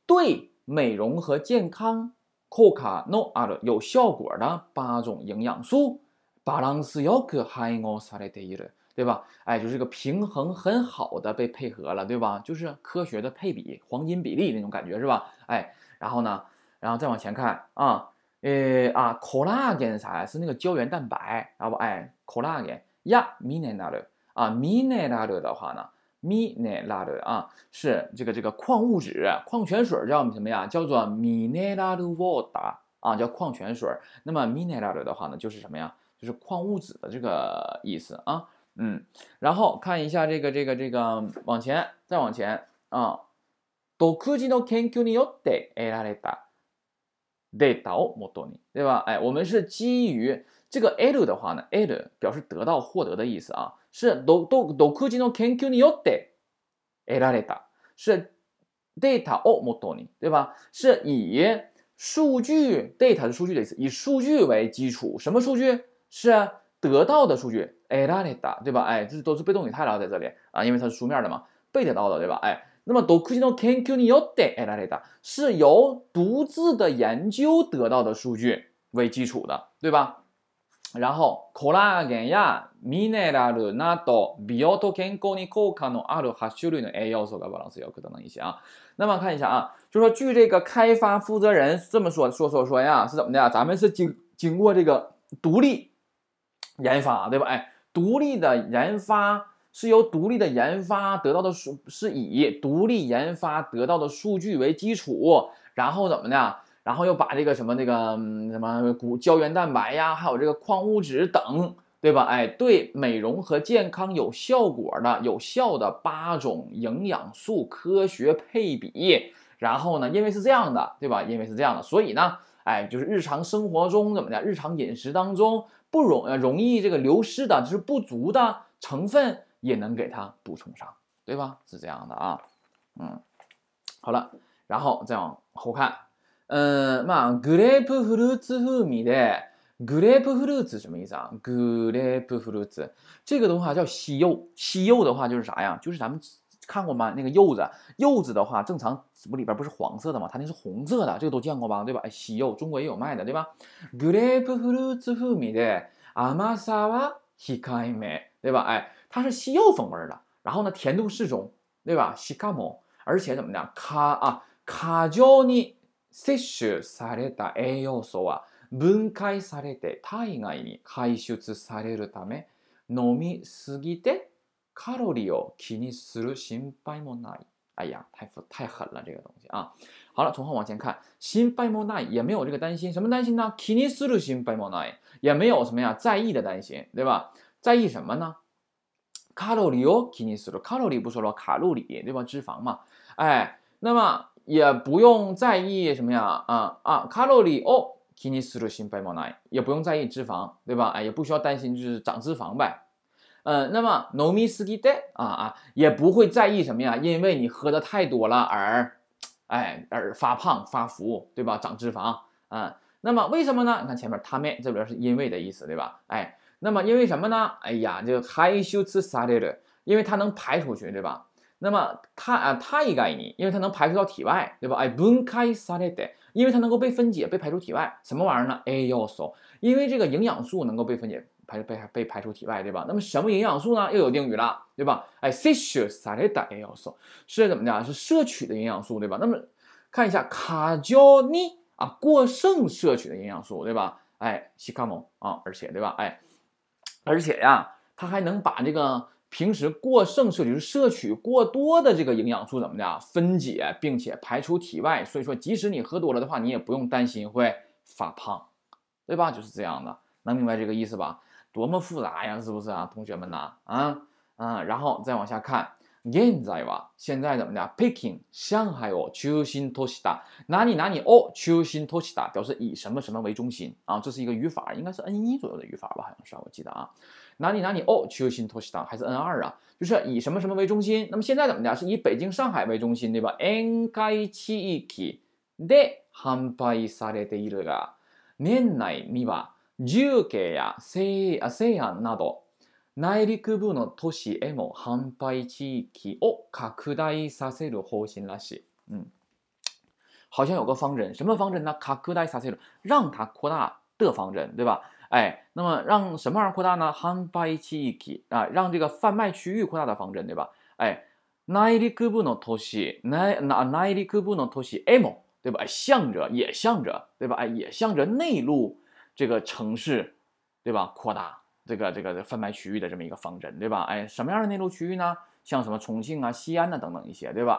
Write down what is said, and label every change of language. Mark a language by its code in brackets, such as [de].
[zh] 对美容和健康 [ja] 効果のある [zh] 有效果的八种营养素 [ja] バランスよく配合されている， [zh] 对吧？哎，就是个平衡很好的被配合了，对吧？就是科学的配比，黄金比例那种感觉，是吧？哎，然后呢，然后再往前看啊，コラーゲン啥呀？是那个胶原蛋白，然后哎， [ja] コラーゲンやミネラル [zh] 啊，ミネラル的话呢？ mineral 啊，是这个矿物质、矿泉水叫什么呀？叫做 mineral water 啊，叫矿泉水。那么 mineral 的话呢，就是什么呀？就是矿物质的这个意思啊。然后看一下这个，往前再往前啊。 [ja] 独自の研究によって得られたデータをもとに，对吧？ [zh] 哎，我们是基于这个 L 的话呢，L 表示得到、获得的意思啊。 [ja] 是独自の研究によって得られた，是 data をもとに，对吧？ [zh] 是以数据 data 是数据的意思，以数据为基础，什么数据？是得到的数据 得られた，对吧？哎，这都是被动语态了，在这里啊，因为它是书面的嘛，被得到的，对吧？哎，那么 [ja] 独自の研究によって得られた， [zh] 是由独自的研究得到的数据为基础的，对吧？ [ja] 然后コラーゲンやミネラルなど美容と健康に効果のある8種類の栄養素がバランスよく [zh] 整理一下啊。那么看一下啊，就说据这个开发负责人这么说呀，是怎么的呀？咱们是经过这个独立研发，对吧？哎，独立的研发是由独立的研发得到的数，是以独立研发得到的数据为基础，然后怎么的？然后又把这个什么那个什么骨胶原蛋白呀，还有这个矿物质等，对吧？哎，对美容和健康有效果的有效的八种营养素科学配比。然后呢，因为是这样的，对吧？因为是这样的，所以呢，哎，就是日常生活中怎么的，日常饮食当中容易这个流失的，就是不足的成分也能给它补充上，对吧？是这样的啊。嗯，好了，然后再往后看。 [ja] まあ、グレープフルーツ風味で、グレープフルーツ [zh] 什么意思啊？グレープフルーツ。这个的话叫西柚。西柚的话就是啥呀？就是咱们看过吗？那个柚子。柚子的话正常不里边不是黄色的吗？它那是红色的。这个都见过吧？对吧？西柚中国也有卖的，对吧？ [ja] グレープフルーツ風味で、甘さは控えめ。 [zh] 对吧？哎，它是西柚风味的。然后呢，甜度适中。对吧？しかも。而且怎么的？ [ja] 過剰に摂取された栄養素は分解されて体外に排出されるため、飲みすぎてカロリーを気にする心配もない。 [zh] 哎呀，太狠了这个东西啊！好了，从后往前看，心配もない也没有这个担心，什么担心呢？ [ja] 気にする心配もない [zh] 也没有什么呀在意的担心，对吧？在意什么呢？ [ja] カロリーを気にする。 [zh] カロリー不说了，卡路里对吧？脂肪嘛。哎，那么。也不用在意什么呀啊，卡路里哦， [ja] 気にする心配もない， [zh] 也不用在意脂肪，对吧？哎，也不需要担心就是长脂肪呗。那么飲みすぎて也不会在意什么呀，因为你喝的太多了而发胖发福，对吧？长脂肪啊。那么为什么呢？你看前面ため这边是因为的意思，对吧？哎，那么因为什么呢？哎呀，这个排出つされる，因为它能排出去，对吧？那么它啊，体外に，因为它能排出到体外，对吧？哎，分解されて，因为它能够被分解、被排出体外，什么玩意儿呢？栄養素，因为这个营养素能够被分解、被排出体外，对吧？那么什么营养素呢？又有定语了，对吧？哎， [ja] 摄取された栄養素 [zh] 是怎么的？是摄取的营养素，对吧？那么看一下過剰に啊，过剩摄取的营养素，对吧？哎，しかも啊，而且对吧？哎，而且呀，它还能把这个。平时过剩摄取，就是摄取过多的这个营养素怎么的分解并且排出体外，所以说即使你喝多了的话，你也不用担心会发胖，对吧？就是这样的，能明白这个意思吧？多么复杂呀，是不是啊，同学们呐？然后再往下看，現在は现在怎么的？ [ja] 北京、上海を中心とした [zh] 哪里哪里を中心とした，表示以什么什么为中心啊？这是一个语法，应该是 N1 左右的语法吧？好像是，我记得啊。哪里哪里哦，中心都市的还是 N2 啊，就是以什么什么为中心。那么现在怎么的，是以北京上海为中心，对吧？ [ja] 沿海地域で販売されているが、年内には重慶や西安など内陸部の都市へも販売地域を拡大させる方針らしい。 [zh] 好像有个方针，什么方针呢？拡大させる，让它扩大的方针，对吧？哎，那么让什么玩意儿扩大呢？販売地域啊，让这个贩卖区域扩大的方针，对吧？哎， [ja] 内陸部の都市， [zh] 内陸部の都市 M， 对吧？向着也向着，对吧？哎，也向着内陆这个城市，对吧？扩大这个贩卖区域的这么一个方针，对吧？哎，什么样的内陆区域呢？像什么重庆啊、西安啊等等一些，对吧？